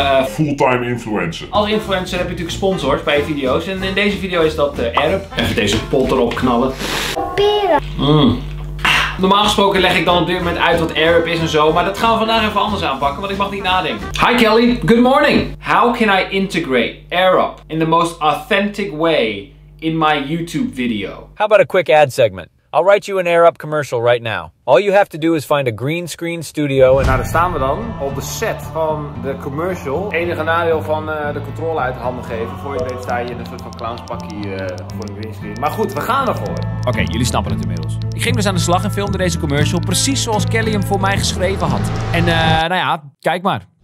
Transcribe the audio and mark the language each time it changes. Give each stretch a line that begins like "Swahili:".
Dutch: fulltime influencer. Als influencer heb je natuurlijk sponsors bij je video's. En in deze video is dat Erp. Even deze pot erop knallen. Peren. Normaal gesproken leg ik dan op dit moment uit wat Erp is en zo. Maar dat gaan we vandaag even anders aanpakken, want ik mag niet nadenken.
English: Hi Kelly, good morning. How can I integrate Erp in the most authentic way in my YouTube video? How about a quick ad segment? I'll write you an AirUp commercial right now. All you have to do is find a green screen studio and...
Dutch: Nou, daar staan we dan op de set van de commercial. Enige nadeel van de controle uit de handen geven. Voor je weet sta je in een soort van clownspakkie voor een green screen. Maar goed, we gaan ervoor. Oké, jullie snappen het inmiddels. Ik ging dus aan de slag en filmde deze commercial precies zoals Kelly hem voor mij geschreven had. En nou ja, kijk maar.